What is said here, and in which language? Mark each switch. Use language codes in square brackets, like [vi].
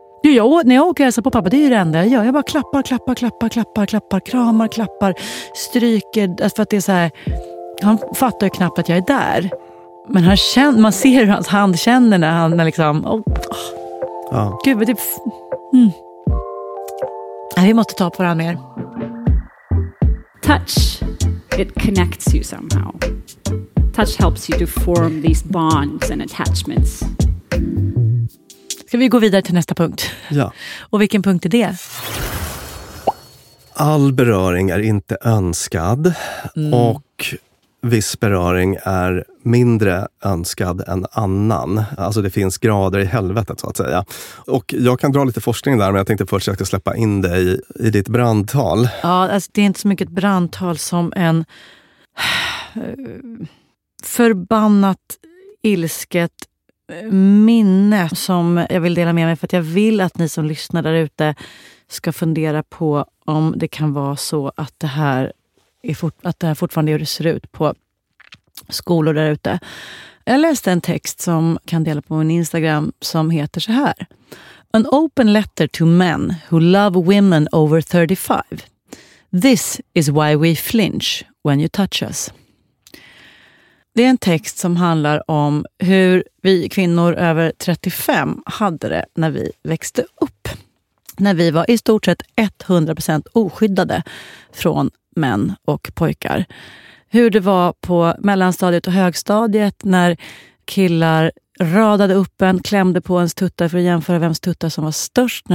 [sv] Jag, när jag åker hälsa på pappa, det är ju det enda jag gör. Jag bara klappar, klappar, klappar, klappar, klappar, kramar, klappar, stryker. För att det är så här, han fattar ju knappt att jag är där. Men han känner, man ser hur hans hand känner när han är liksom... Ja. Gud, men typ... Vi måste ta på varandra mer. [en] Touch, it connects you somehow. Touch helps you to form these bonds and attachments. [sv] Ska vi gå vidare till nästa punkt? Ja. Och vilken punkt är det? All beröring är inte önskad. Mm. Och... viss beröring är mindre önskad än annan. Alltså det finns grader i helvetet så att säga. Och jag kan dra lite forskning där, men jag tänkte försöka släppa in dig i ditt brandtal. Ja, alltså det är inte så mycket ett brandtal som en förbannat ilsket minne som jag vill dela med mig. För att jag vill att ni som lyssnar där ute ska fundera på om det kan vara så att det här att det här fortfarande är hur det ser ut på skolor där ute. Jag läste en text som kan dela på min Instagram som heter så här: [en] An open letter to men who love women over 35. This is why we flinch when you touch us. [sv] Det är en text som handlar om hur vi kvinnor över 35 hade det när vi växte upp. När vi var i stort sett 100% oskyddade från män och pojkar. Hur det var på mellanstadiet och högstadiet när killar radade upp en, klämde på ens tutta för att jämföra vems tutta som var störst.